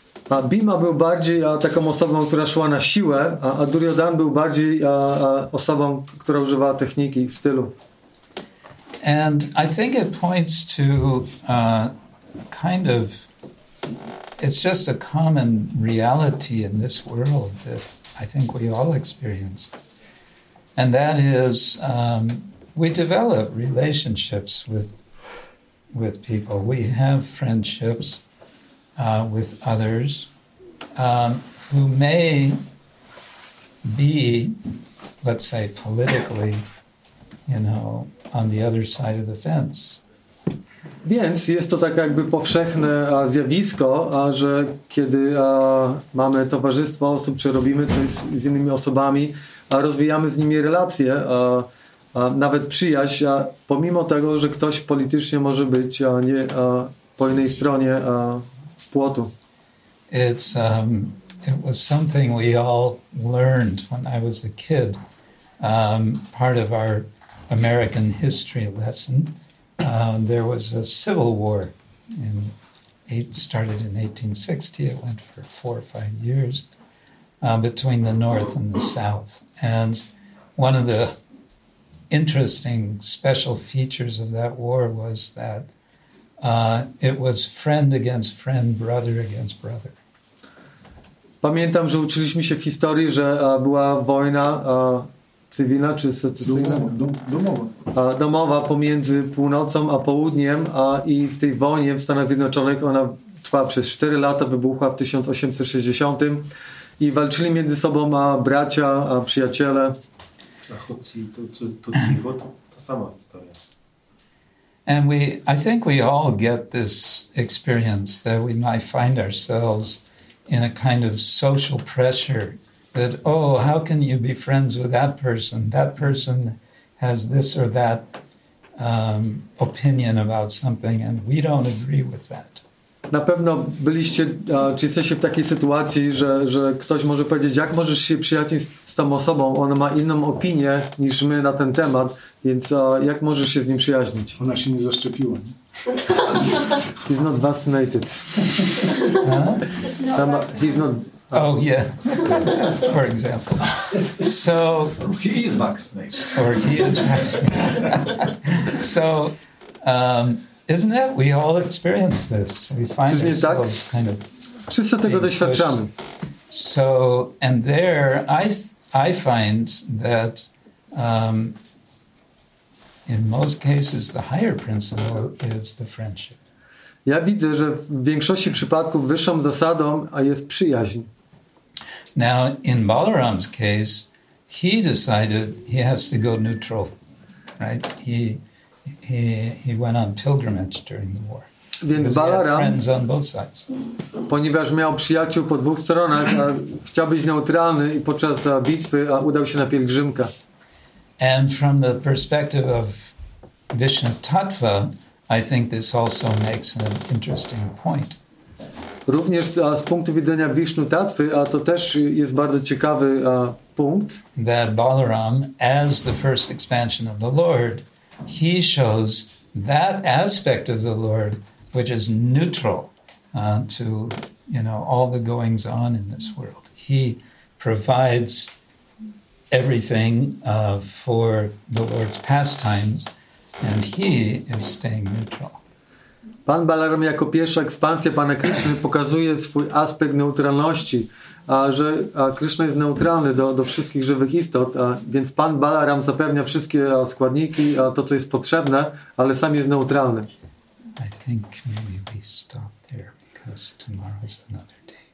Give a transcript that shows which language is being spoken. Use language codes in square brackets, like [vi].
[pl] A Bhima był bardziej taką osobą, która szła na siłę, a Duryodhana był bardziej osobą, która używała techniki w stylu. [en] And I think it points to kind of, it's just a common reality in this world that I think we all experience. And that is, we develop relationships with people. We have friendships with others who may be, let's say, politically, you know, on the other side of the fence. [pl] Więc jest to tak jakby powszechne zjawisko, że kiedy mamy towarzystwo osób, czy robimy coś z innymi osobami, rozwijamy z nimi relacje, nawet przyjaźń, pomimo tego, że ktoś politycznie może być nie po innej stronie płotu. [en] It's, it was something we all learned when I was a kid, part of our American history lesson. There was a civil war in started in 1860. It went for 4 or 5 years between the North and the South. And one of the interesting special features of that war was that it was friend against friend, brother against brother. [pl] Pamiętam, że uczyliśmy się w historii, że była wojna cywilna, czy secesyjna? Domowa. Domowa pomiędzy północą a południem, i w tej wojnie w Stanach Zjednoczonych, ona trwała przez 4 lata, wybuchła w 1860 i walczyli między sobą bracia, przyjaciele. To sama historia. [en] And I think we all get this experience that we might find ourselves in a kind of social pressure. That, oh, how can you be friends with that person? That person has this or that opinion about something, and we don't agree with that. [pl] Na pewno byliście, czy jesteście w takiej sytuacji, że ktoś może powiedzieć, jak możesz się przyjaźnić z tą osobą? Ona ma inną opinię niż my na ten temat, więc jak możesz się z nim przyjaźnić? Ona się nie zaszczepiła. Nie? [en] He's not vaccinated. Huh? He's not. Oh yeah, for example. So he is vaccinated, or he is vaccinated. So, isn't it? We all experience this. We find ourselves [pl] tak? [en] Kind of. [pl] Wszyscy tego doświadczamy. [en] So, and there, I find that in most cases, the higher principle is the friendship. [pl] Ja widzę, że w większości przypadków wyższą zasadą jest przyjaźń. [en] Now, in Balaram's case, he decided he has to go neutral, right? He went on pilgrimage during the war. [pl] Więc Balaram, [en] friends on both sides. [pl] Ponieważ miał przyjaciół po dwóch stronach, chciał być neutralny i podczas bitwy udał się na pielgrzymkę. [en] And from the perspective of Vishnu-tattva, I think this also makes an interesting point. [pl] Również z punktu widzenia Vishnu-tattwy, a to też jest bardzo ciekawy punkt. [en] That Balaram, as the first expansion of the Lord, he shows that aspect of the Lord which is neutral to, you know, all the goings on in this world. He provides everything for the Lord's pastimes, and he is staying neutral. [pl] Pan Balaram jako pierwsza ekspansja Pana Kryszny pokazuje swój aspekt neutralności, że Kryszna jest neutralny do wszystkich żywych istot, więc Pan Balaram zapewnia wszystkie składniki, to co jest potrzebne, ale sam jest neutralny. [en] I think maybe we stop there because tomorrow is another day.